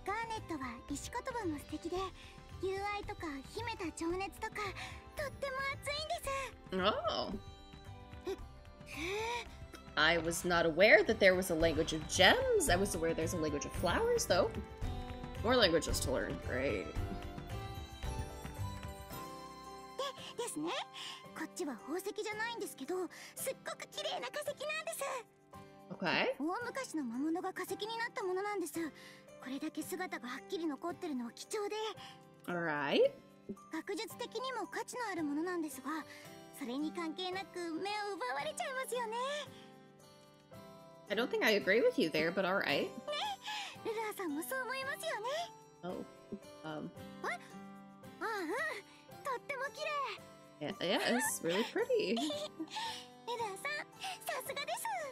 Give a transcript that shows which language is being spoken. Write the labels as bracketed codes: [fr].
[ja] ガーネットは石言葉も素敵で、友愛とか秘めた情熱とかとっても熱いんです。 Oh. [en] I was not aware that there was a language of gems. I was aware there's a language of flowers, though. More languages to learn. Great. [ja] ですね。こっちは宝石じゃないんですけど、すっごく綺麗な化石なんです。 Okay. 大昔の魔物が化石になったものなんです。これだけ姿がはっきり残ってるのは貴重で。 All right. 学術的にも価値のあるものなんですが、それに関係なく目を奪われちゃいますよね。 [en] I don't think I agree with you there, but all right. [ja] ね、ルルアさんもそう思いますよね。 Oh. とっても綺麗。 [en] Yeah, it's really pretty. [ja] ルルアさん、さすがです。